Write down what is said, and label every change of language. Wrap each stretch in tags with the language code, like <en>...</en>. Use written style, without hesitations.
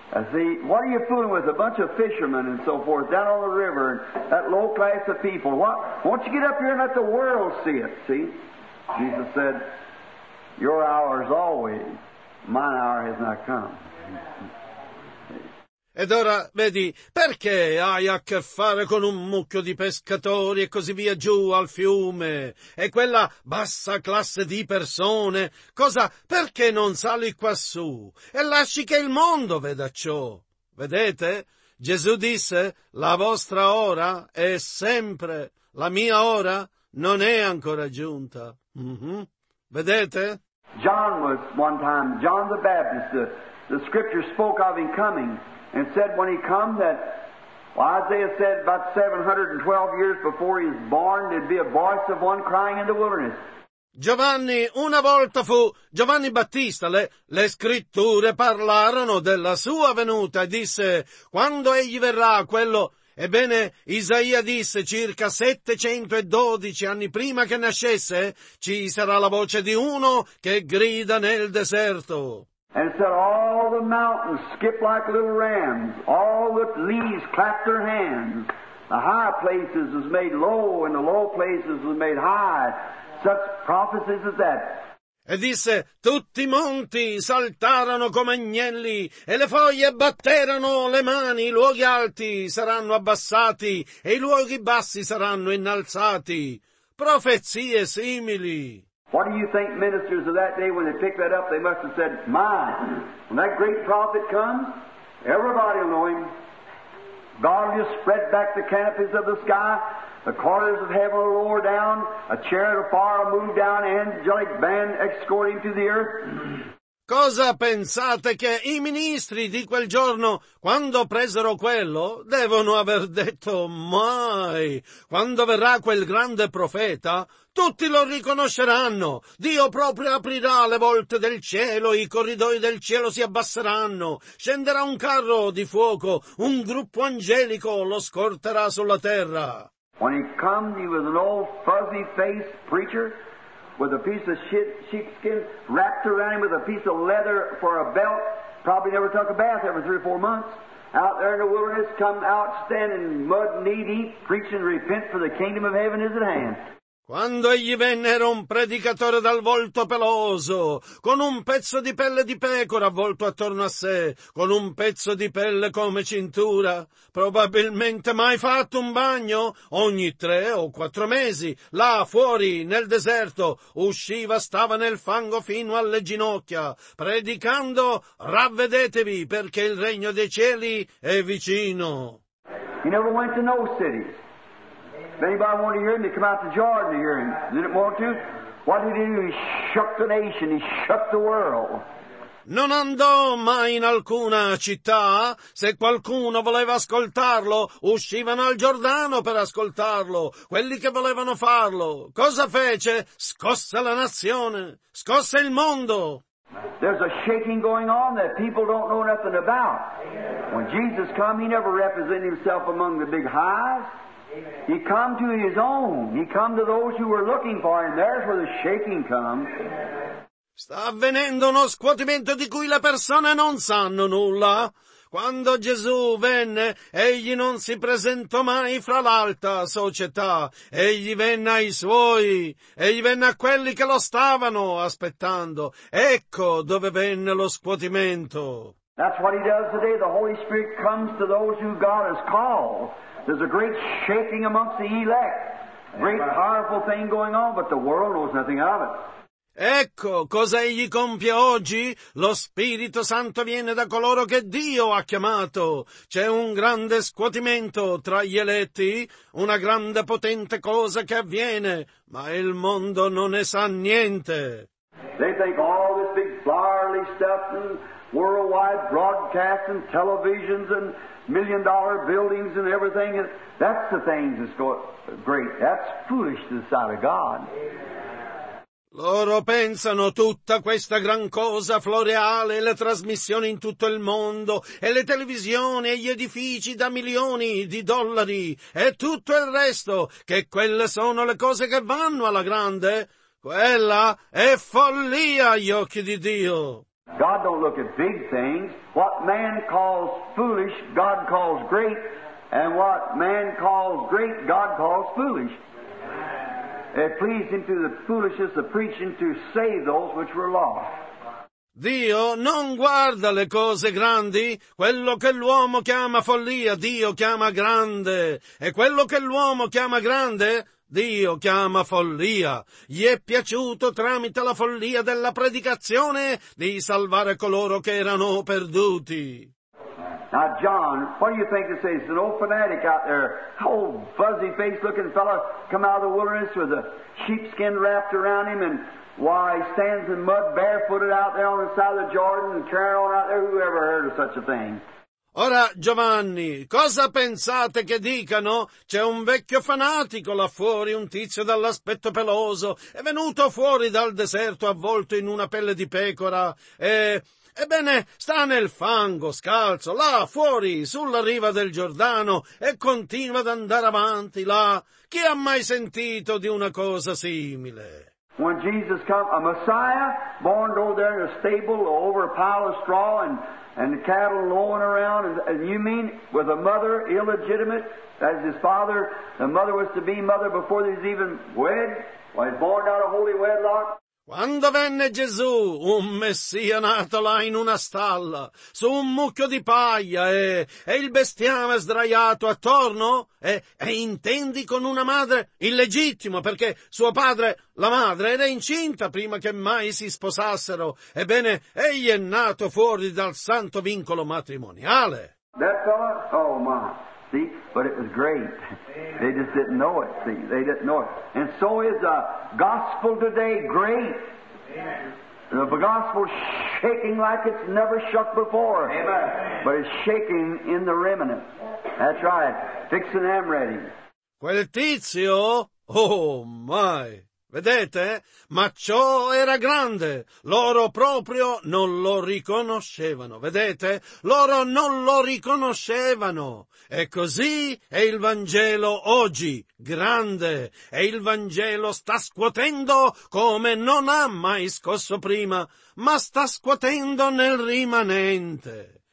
<en>See, what are you fooling with a bunch of fishermen and so forth down on the river and that low class of people? Why don't you get up here and let the world see it, see? Jesus said, your hour is always, mine hour has not come.</en> <it>Ed ora, vedi, perché hai a che fare con un mucchio di pescatori e così via giù al fiume? E quella bassa classe di persone? Cosa, perché non sali quassù? E lasci che il mondo veda ciò? Vedete? Gesù disse, la vostra ora è sempre, la mia ora non è ancora giunta. Mm-hmm. Vedete?</it> <en>John was one time, John the Baptist, the scripture spoke of him coming. And said when he come that, well, Isaiah said about 712 years before he was born, there'd be a voice of one crying in the wilderness.</en> <it>Giovanni, una volta fu Giovanni Battista, le scritture parlarono della sua venuta e disse, quando egli verrà, quello, ebbene, Isaia disse, circa 712 anni prima che nascesse, ci sarà la voce di uno che grida nel deserto.</it> <en>And said, all the mountains skip like little rams, all the leaves clap their hands, the high places was made low, and the low places was made high, such prophecies as that.</en> <it>E disse, tutti i monti saltarono come agnelli, e le foglie batterono le mani, i luoghi alti saranno abbassati, e i luoghi bassi saranno innalzati. Profezie simili.</it> <en>What do you think ministers of that day when they picked that up, they must have said, my, when that great prophet comes, everybody will know him. God will just spread back the canopies of the sky, the corners of heaven will roar down, a chariot of fire will move down, an angelic band escorting to the earth.</en> <it>Cosa pensate che i ministri di quel giorno, quando presero quello, devono aver detto mai? Quando verrà quel grande profeta, tutti lo riconosceranno. Dio proprio aprirà le volte del cielo, i corridoi del cielo si abbasseranno. Scenderà un carro di fuoco, un gruppo angelico lo scorterà sulla terra.</it> <en>When he came, he was an old fuzzy-faced preacher. With a piece of sheepskin wrapped around him with a piece of leather for a belt, probably never took a bath every 3 or 4 months. Out there in the wilderness, come out standing mud knee deep, preaching repent for the kingdom of heaven is at hand.</en> <it>Quando egli venne era un predicatore dal volto peloso, con un pezzo di pelle di pecora avvolto attorno a sé, con un pezzo di pelle come cintura, probabilmente mai fatto un bagno, ogni 3 o 4 mesi, là fuori, nel deserto, usciva, stava nel fango fino alle ginocchia, predicando, ravvedetevi, perché il regno dei cieli è vicino.</it> <en>He never went to no city. If anybody wanted to hear him, they'd come out to Jordan to hear him. Did it want to? What did he do? He shook the nation. He shook the world.</en> <it>Non andò mai in alcuna città. Se qualcuno voleva ascoltarlo, uscivano al Giordano per ascoltarlo, quelli che volevano farlo. Cosa fece? Scosse la nazione. Scosse il mondo.</it> <en>There's a shaking going on that people don't know nothing about. When Jesus came, he never represented himself among the big highs. He come to his own. He come to those who were looking for him. There's where the shaking comes.</en> <it>Sta avvenendo uno scuotimento di cui le persone non sanno nulla. Quando Gesù venne, egli non si presentò mai fra l'alta società. Egli venne ai suoi. Egli venne a quelli che lo stavano aspettando. Ecco dove venne lo scuotimento.</it> <en>That's what he does today. The Holy Spirit comes to those who God has called. There's a great shaking amongst the elect. Great powerful thing going on, but the world knows nothing of it.</en> <it>Ecco cosa egli compie oggi. Lo Spirito Santo viene da coloro che Dio ha chiamato. C'è un grande scuotimento tra gli eletti, una grande potente cosa che avviene, ma il mondo non ne sa niente.</it> <en>They think all this big flowery stuff and worldwide broadcasts and televisions and million-dollar buildings and everything, and that's the things that's going great. That's foolishness out of God.</en> <it>Loro pensano tutta questa gran cosa floreale, le trasmissioni in tutto il mondo, e le televisioni, e gli edifici da milioni di dollari, e tutto il resto, che quelle sono le cose che vanno alla grande. Quella è follia agli occhi di Dio.</it> <en>God don't look at big things. What man calls foolish, God calls great. And what man calls great, God calls foolish. It pleased him through the foolishness of preaching to save those which were lost.</en> <it>Dio non guarda le cose grandi, quello che l'uomo chiama follia, Dio chiama grande. E quello che l'uomo chiama grande, Dio chiama follia. Gli è piaciuto tramite la follia della predicazione di salvare coloro che erano perduti.</it> <en>Now John, what do you think it says? An old fanatic out there, old fuzzy faced looking fellow, come out of the wilderness with a sheepskin wrapped around him, and why he stands in mud barefooted out there on the side of the Jordan and carrying on out there. Who ever heard of such a thing?</en> <it>Ora, Giovanni, cosa pensate che dicano? C'è un vecchio fanatico là fuori, un tizio dall'aspetto peloso, è venuto fuori dal deserto avvolto in una pelle di pecora, e, ebbene, sta nel fango, scalzo, là fuori, sulla riva del Giordano, e continua ad andare avanti, là. Chi ha mai sentito di una cosa simile?</it> <en>When Jesus come, a Messiah, born over there in a stable over a pile of straw and the cattle lowing around, and you mean with a mother illegitimate as his father, the mother was to be mother before he was even wed, or he's born out of holy wedlock?</en> <it>Quando venne Gesù, un Messia nato là in una stalla, su un mucchio di paglia, e il bestiame sdraiato attorno, e intendi con una madre illegittima, perché suo padre, la madre, era incinta prima che mai si sposassero, ebbene, egli è nato fuori dal santo vincolo matrimoniale.</it> <en>That fella? Oh my, see, but it was great. They just didn't know it, see, they didn't know it. And so is the gospel today great. Amen. The gospel shaking like it's never shook before. Amen. But it's shaking in the remnant. That's right, fixing them ready.</en> <it>Quel tizio,</it> <en>oh my,</en> <it>vedete? Ma ciò era grande, loro proprio non lo riconoscevano, vedete? Loro non lo riconoscevano. E così è il Vangelo oggi, grande, e il Vangelo sta scuotendo come non ha mai scosso prima, ma sta scuotendo nel rimanente.</it>